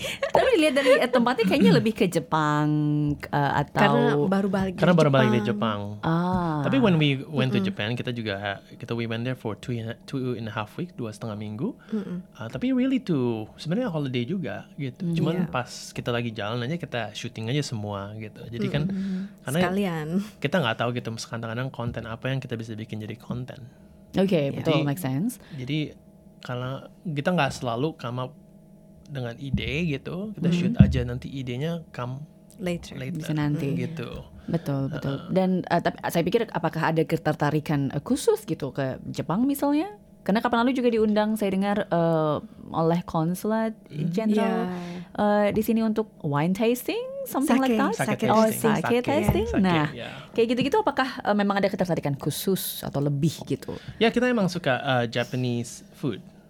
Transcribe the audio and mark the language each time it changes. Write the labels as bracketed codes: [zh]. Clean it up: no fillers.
[id] Tapi lihat dari tempatnya kayaknya lebih ke Jepang atau karena baru balik dari Jepang. [en] Tapi when we went to Japan, we went there for two and a half weeks, [id] 2.5 minggu. Tapi [en] really [id] sebenarnya holiday juga gitu. Cuman pas kita lagi jalan aja, kita shooting aja semua gitu. Jadi kan sekalian, karena kita nggak tahu gitu, kadang-kadang konten apa yang kita bisa bikin jadi konten. Betul, [en] make sense. [id] Jadi karena kita nggak selalu [en] come up [id] dengan ide gitu, kita shoot aja, nanti idenya [en] come later. [id] Bisa nanti gitu. Betul. Dan tapi saya pikir apakah ada ketertarikan khusus gitu ke Jepang misalnya? Karena kapan lalu juga diundang, saya dengar oleh konsulat general di sini untuk [en] wine tasting, something sake. Like that. Sake tasting. [id] Nah, kayak gitu-gitu, apakah memang ada ketertarikan khusus atau lebih gitu? Ya, kita emang suka [en] Japanese food.